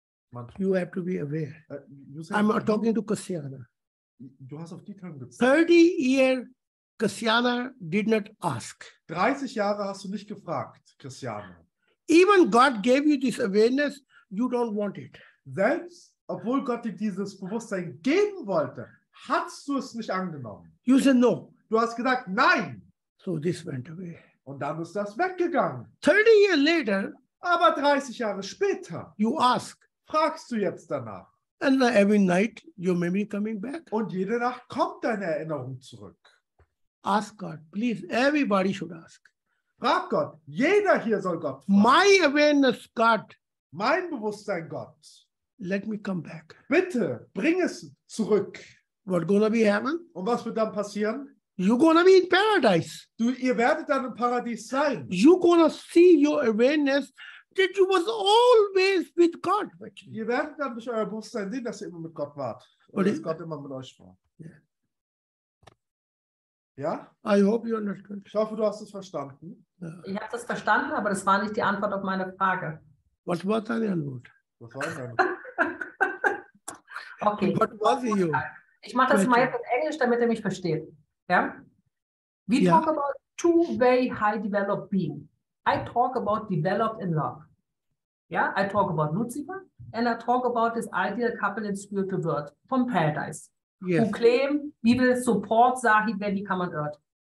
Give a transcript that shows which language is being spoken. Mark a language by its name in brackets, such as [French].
[German] Manchmal. [English] You have to be aware. I'm talking to Kasyana. [German] Du hast auf die Term gezogen. [English] 30 years Kasyana did not ask. [German] 30 Jahre hast du nicht gefragt, Kasyana. [English] Even God gave you this awareness, you don't want it. [German] Selbst obwohl Gott dir dieses Bewusstsein geben wollte, hast du es nicht angenommen. [English] You said no. [German] Du hast gesagt nein. [English] So this went away. [German] Und dann ist das weggegangen. [English] 30 years later, [German] aber 30 Jahre später, [English] you ask, [German] fragst du jetzt danach. [English] And every night your memory coming back. [German] Und jede Nacht kommt deine Erinnerung zurück. [English] Ask God, please. Everybody should ask. [German] Frag Gott. Jeder hier soll Gott fragen. [English] My awareness, God. [German] Mein Bewusstsein, Gott. [English] Let me come back. [German] Bitte, bring es zurück. [English] What gonna be heaven? [German] Und was wird dann passieren? [English] You gonna be in paradise. [German] Ihr werdet dann im Paradies sein. [English] You gonna see your awareness that you was always with God. [German] Ihr werdet dann durch euer Bewusstsein sehen, dass ihr immer mit Gott wart. Und dass Gott immer mit euch war. Ja? [English] I hope you understand. [German] Ich hoffe, du hast es verstanden. Ich habe es verstanden, aber das war nicht die Antwort auf meine Frage. [English] What was [German] deine Antwort? Was war deine Antwort? Okay. [English] What was it, you? [German] Ich mache das mal jetzt in Englisch, damit er mich versteht. Ja? [English] We talk about two-way high-developed being. I talk about developed in love. [German] Ja? [English] I talk about Lucifer and I talk about this ideal couple in spiritual world from paradise. Yes. Who claim, we will support Sahib when he come on earth.